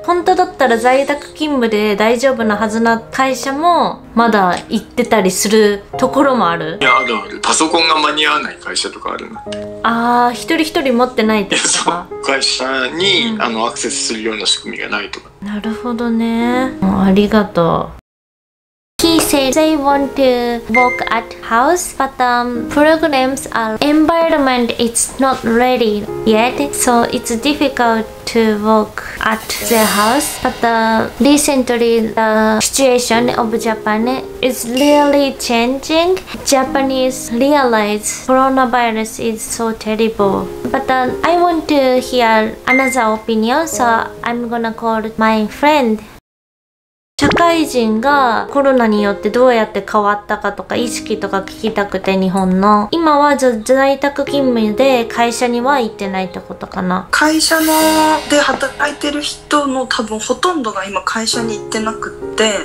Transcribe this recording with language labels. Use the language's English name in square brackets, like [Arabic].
[Japanese] 本当だったら在宅勤務で大丈夫なはずな会社もまだ行ってたりするところもある？いや、あるある。パソコンが間に合わない会社とかあるなって。あー、一人一人持ってないってことか。会社に、うん、アクセスするような仕組みがないとか。なるほどね、うん、ありがとう。 [English] He said they want to work at house, but programs are environment is not ready yet, so it's difficult to work at their house. But recently, the situation of Japan is really changing. Japanese realize coronavirus is so terrible. But I want to hear another opinion, so I'm gonna call my friend. [Japanese] 会人がコロナによってどうやって変わったかとか意識とか聞きたくて、日本の今は在宅勤務で会社には行ってないってことかな。会社ので働いてる人の多分ほとんどが今会社に行ってなくって。